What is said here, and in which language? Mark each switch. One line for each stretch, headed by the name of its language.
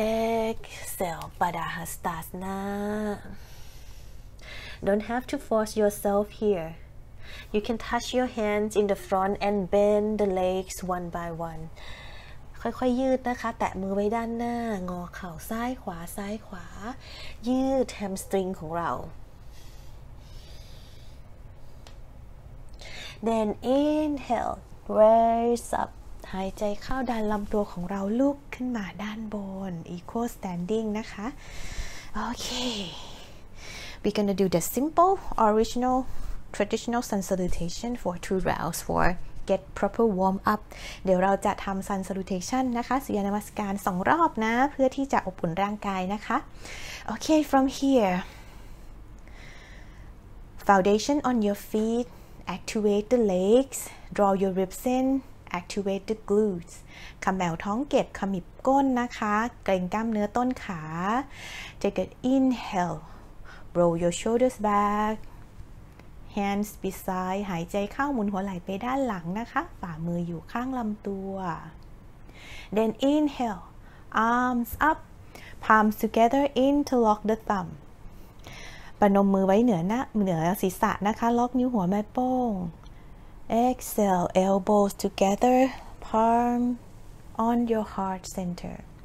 English: Exhale Padmasana Don't have to force yourself here You can touch your hands in the front and bend the legs one by one
Thai: ค่อยๆยืดนะคะแตะมือไว้ด้านหน้างอเข่าซ้ายขวาซ้ายขวายืดแฮมสตริงของเรา
English: Then inhale, raise up.
Thai: หายใจเข้าดันลำตัวของเราลุกขึ้นมาด้านบน Equal standing นะคะ Okay.
English: We're gonna do the simple, original, traditional sun salutation for two rounds for get proper warm up.
Thai: เดี๋ยวเราจะทำ sun salutation นะคะสุริยนมัสการ2รอบนะเพื่อที่จะอบอุ่นร่างกายนะคะ
English: Okay, from here. Foundation on your feet. Activate the legs, draw your ribs in, activate the glutes.
Thai: ขมแบวท้องเก็บขมิบก้นนะคะเกร็งกล้ามเนื้อต้นขา
English: Take an inhale, roll your shoulders back, hands beside.
Thai: หายใจเข้าหมุนหัวไหล่ไปด้านหลังนะคะฝ่ามืออยู่ข้างลำตัว
English: Then inhale, arms up, palms together, interlock the thumb
Thai: ประนมมือไว้เหนือหน้าเหนือศีรษะนะคะล็อกนิ้วหัวแม่โป้ง
English: Exhale elbows together palm on your heart center